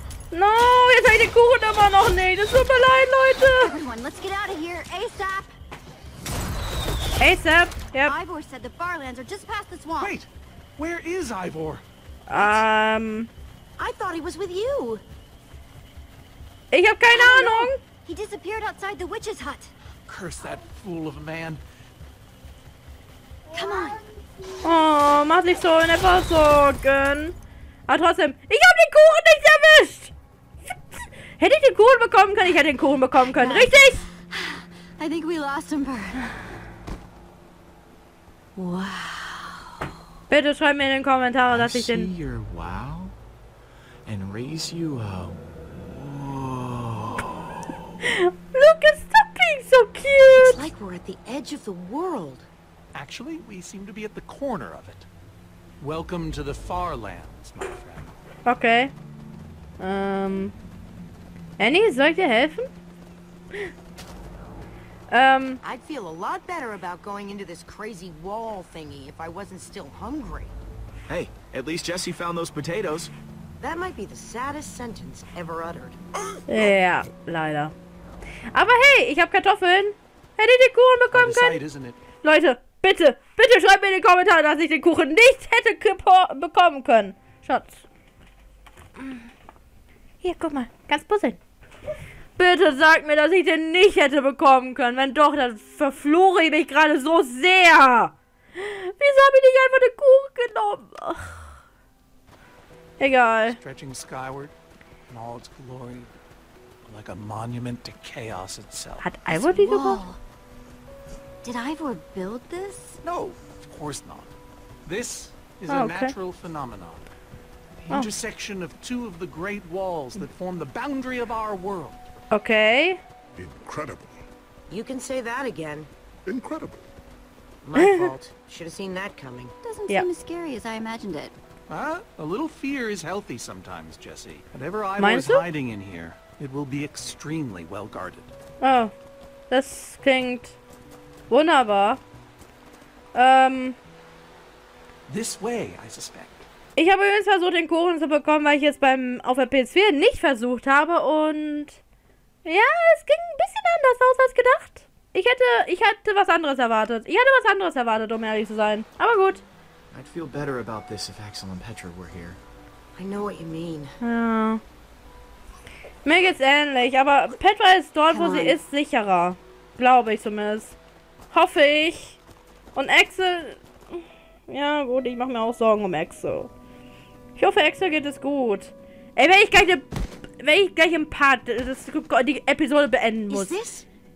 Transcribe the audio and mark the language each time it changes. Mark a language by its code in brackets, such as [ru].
[de] No, jetzt hab ich den Kuchen immer noch nicht. Das tut mir leid, Leute. [en] Everyone, let's get out of here ASAP. ASAP, yep. Ivor said the Farlands are just past the swamp. Wait, where is Ivor? I thought he was with you. [de] Ich hab keine Ahnung. [en] He disappeared outside the witch's hut. Curse that fool of a man. Come on. [de] Oh, mach dich so in etwas Sorgen. Aber trotzdem, ich hab den Kuchen nicht erwischt! Hätte ich den Kuchen bekommen können, ich hätte den Kuchen bekommen können, richtig? [en] I think we lost him, Bird. Wow. [de] Bitte schreib mir in den Kommentaren, dass ich den. [en] See your wow and raise you a whoa. Look, stop being so cute! It's like we're at the edge of the world. Actually, we seem to be at the corner of it. Welcome to the Far Lands, my friend. Okay. [de] Annie, soll ich dir helfen? [en] I'd feel a lot better about going into this crazy wall thingy if I wasn't still hungry. Hey, at least Jesse found those potatoes. That might be the saddest sentence ever uttered. [de] Ja, leider. Aber hey, ich hab Kartoffeln. Hätte ich den Kuchen bekommen können? [en] Side, isn't it? [de] Leute. Bitte, bitte schreib mir in die Kommentare, dass ich den Kuchen nicht hätte bekommen können. Schatz. Hier, guck mal. Kannst puzzeln. Bitte sag mir, dass ich den nicht hätte bekommen können. Wenn doch, dann verfluche ich mich gerade so sehr. Wieso habe ich nicht einfach den Kuchen genommen? Ach. Egal. [en] Stretching skyward in all its glory, like a monument to chaos itself. [de] Hat Ivor die gebaut? [en] Did Ivor build this? No, of course not. This is a natural phenomenon. The intersection of two of the great walls that form the boundary of our world. Okay. Incredible. You can say that again. Incredible. My fault. Should have seen that coming. Doesn't seem as scary as I imagined it. A little fear is healthy sometimes, Jesse. Whatever Ivor is hiding in here, it will be extremely well guarded. [de] Oh, das klingt... Wunderbar. [en] This way, I suspect. [de] Ich habe übrigens versucht, den Kuchen zu bekommen, weil ich jetzt beim auf der PS4 nicht versucht habe und ja, es ging ein bisschen anders aus als gedacht. Ich hätte was anderes erwartet. Ich hätte was anderes erwartet, um ehrlich zu sein. Aber gut. [en] I'd feel better about this if Axel and Petra were here. I know what you mean. [de] Ja. Mir geht's ähnlich, aber Petra ist dort, wo sie ist, sicherer. Glaube ich zumindest. Hoffe ich. Und Axel... Ja, gut, ich mache mir auch Sorgen um Axel. Ich hoffe, Axel geht es gut. Ey, wenn ich gleich im Part die Episode beenden muss...